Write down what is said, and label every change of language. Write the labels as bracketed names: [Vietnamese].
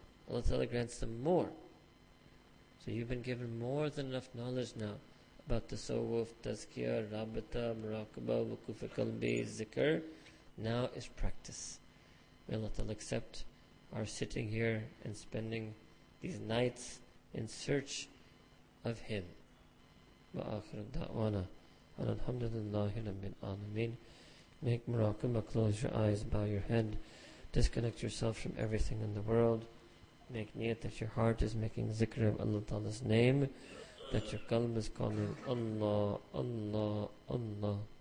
[English] Allah Ta'ala grants them more. So you've been given more than enough knowledge now about the sawwuf, tazkiyah, rabita, muraqabah, wukuf al-qalbi, zikr. Now is practice. May Allah Ta'ala accept our sitting here and spending these nights in search of Him. [Arabic] وآخر دعوانا أن الحمد لله رب العالمين. [English] Make muraqabah, close your eyes, bow your head, disconnect yourself from everything in the world. Make niyat that your heart is making zikr of Allah Ta'ala's name, that your qalb is calling Allah, Allah, Allah.